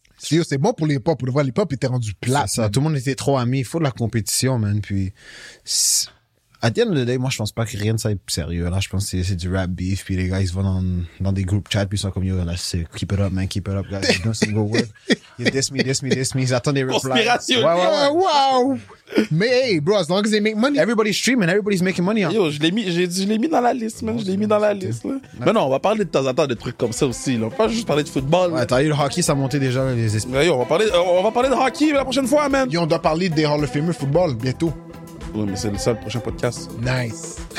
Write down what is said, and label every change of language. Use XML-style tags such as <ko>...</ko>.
<fr>C'est bon pour l'hip-hop, pour le voir, l'hip-hop était rendu plat. Ça, tout le monde était trop ami, il faut de la compétition, man. Puis, à</fr> <en>the end of the day,</en> <fr>moi, je pense pas que rien de ça est sérieux. Là, je pense que c'est du rap beef, puis les gars, ils vont dans des groupes chat, puis ils sont comme, yo, là, c'est</fr> <en>keep it up, man, keep it up, guys. No single word. You diss me,</en> <fr>ils attendent des replies. Conspiration. Wow.</fr> <en>Mais hey, bro, as long as they make money. Everybody's streaming, everybody's making money.</en> <fr>Yo, je l'ai mis dans la liste, man. Je l'ai mis dans la liste. Mais non, on va parler de temps en temps de trucs comme ça aussi. Là. On va pas juste parler de football. Ouais, t'as eu le hockey, ça montait déjà les esprits. Mais yo, on va parler de hockey la prochaine fois, man. Yo, on doit parler des Hall of Fame football bientôt. Oui, mais c'est le seul prochain podcast.</fr> <en>Nice.</en>